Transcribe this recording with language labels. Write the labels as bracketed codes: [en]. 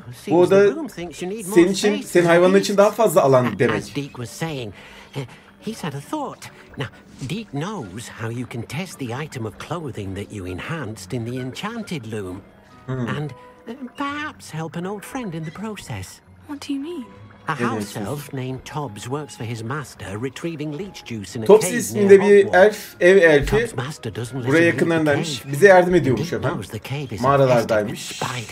[tr] Bu oda senin için, senin hayvanın için daha fazla alan demek. [en] Deke was saying, he's had a thought. Now, Deke knows how you can test the item of clothing that you enhanced in the enchanted loom. And perhaps help an old friend in the process. What do you mean? A house elf named Tobbs works for his master, retrieving leech juice in a cave near Hogwarts. [tr] Tobbs isminde bir elf, ev elfi. [en] Tobbs' master doesn't listen to the cave. [tr] Buraya yakınlarındaymış. Bize yardım ediyormuş hemen. Mağaralardaymış.